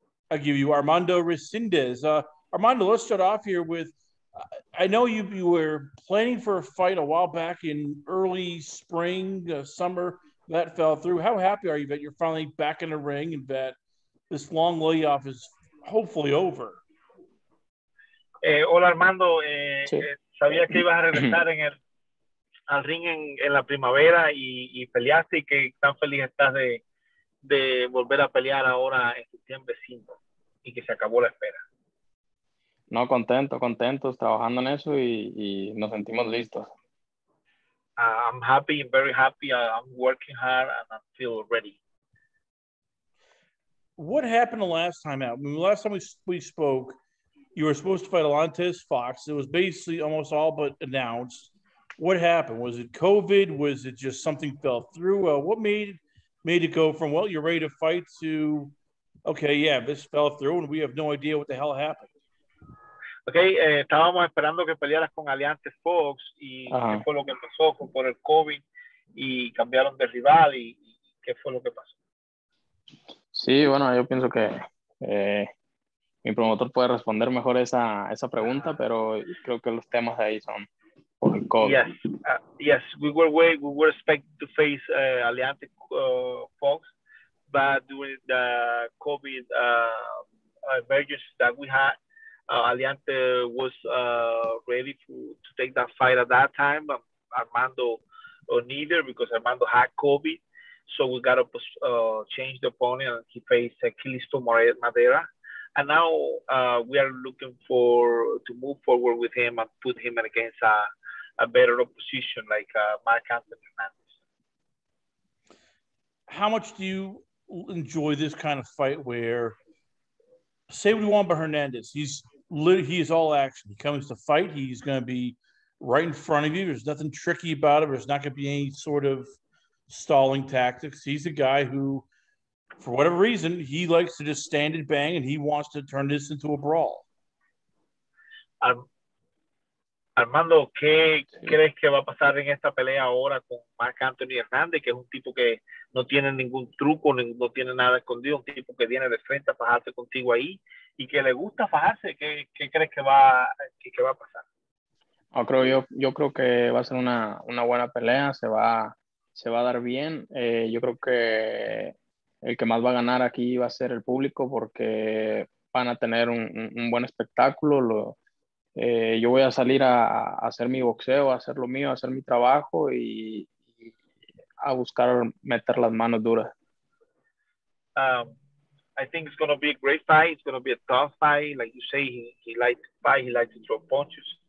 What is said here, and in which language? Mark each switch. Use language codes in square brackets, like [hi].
[en] I give you Armando Resendiz. Armando, let's start off here with, I know you were planning for a fight a while back in early spring, summer, that fell through. How happy are you that you're finally back in the ring and that this long layoff is hopefully over? [es] Hola, Armando. Sabía que ibas a regresar en el al ring en la primavera y peleaste y que tan feliz estás de volver a pelear ahora en septiembre 5 y que se acabó la espera. No, contentos trabajando en eso y nos sentimos listos. [en] I'm happy, very happy. I'm working hard and I feel ready. What happened the last time out? I mean, last time we spoke, you were supposed to fight Alantes Fox. It was basically almost all but announced. What happened? Was it COVID? Was it just something fell through? What made it go from, well, you're ready to fight to, okay, yeah, this fell through and we have no idea what the hell happened? [es] Okay, estábamos esperando que pelearas con Alantes Fox y qué fue lo que pasó por el COVID y cambiaron de rival y qué fue lo que pasó. Sí, bueno, yo pienso que mi promotor puede responder mejor esa pregunta, pero creo que los temas de ahí son por el COVID. [en] Yes, we were expecting to face Aliante Fox, but during the COVID emergency that we had, Aliante was ready to take that fight at that time, but Armando neither, because Armando had COVID. So we got to change the opponent, and he faced Calisto Madeira. And now we are looking for to move forward with him and put him against a better opposition like Mark Anthony Hernandez. How much do you enjoy this kind of fight where, say what you want about Hernandez, he's all action. He comes to fight, he's going to be right in front of you. There's nothing tricky about it. There's not going to be any sort of stalling tactics. He's a guy who, for whatever reason, he likes to just stand and bang, and he wants to turn this into a brawl. [es] Armando, ¿qué crees que va a pasar en esta pelea ahora con Mark Anthony Hernandez, que es un tipo que no tiene ningún truco, no tiene nada escondido, un tipo que viene de frente a fajarse contigo ahí y que le gusta fajarse? ¿Qué crees que va a pasar? Oh, yo creo que va a ser una buena pelea. Se va a dar bien. Yo creo que el que más va a ganar aquí va a ser el público porque van a tener un buen espectáculo. Yo voy a salir a hacer mi boxeo, a hacer lo mío, a hacer mi trabajo y a buscar meter las manos duras. [en] I think it's going to be a great fight. It's going to be a tough fight. Like you say, he likes to fight. He likes to throw punches.